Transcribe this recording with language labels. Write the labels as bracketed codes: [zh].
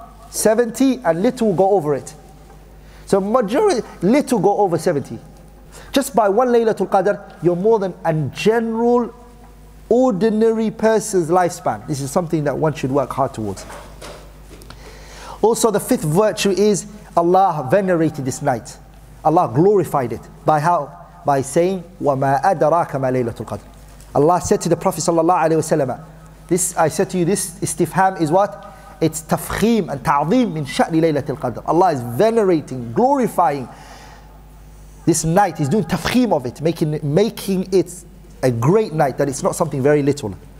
[en] 70, and little will go over it. So majority, little go over 70. Just by one Laylatul Qadr, you're more than a general, ordinary person's lifespan. This is something that one should work hard towards. Also, the fifth virtue is, Allah venerated this night. Allah glorified it. By how? By saying, [ar] وَمَا أَدْرَاكَ مَا لَيْلَةُ الْقَدْرِ. [en] Allah said to the Prophet sallallahu alayhi wa sallam, this, I said to you, this istifham is what? It's [ar] tafkheem and ta'zeem min sha'ni laylatul qadr. [en] Allah is venerating, glorifying this night. He's doing tafkheem of it, making it a great night, that it's not something very little.